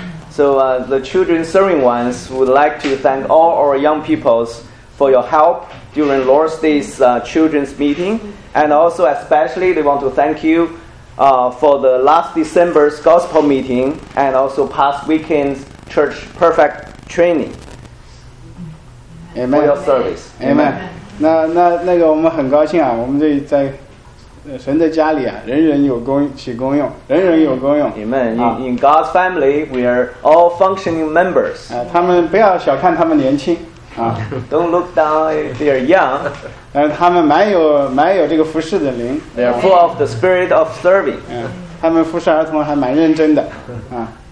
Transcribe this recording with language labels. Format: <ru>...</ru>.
<en>So the children serving ones would like to thank all our young peoples for your help during Lord's Day's children's meeting. And also especially they want to thank you for the last December's gospel meeting and also past weekend's church perfect training. Amen. For your service. Amen. Amen.</en> <zh>那个我们很高兴啊，我们这在神的家里啊，人人有功起功用，人人有功用。</zh> <en>Amen. In God's family, we are all functioning members.</en> <zh>他们不要小看他们年轻啊。</zh> <en>Don't look down they are young.</en> <zh>他们蛮有这个服侍的灵。</zh> <en>They are full of the spirit of serving.</en> <zh>他们服侍儿童还蛮认真的啊。</zh>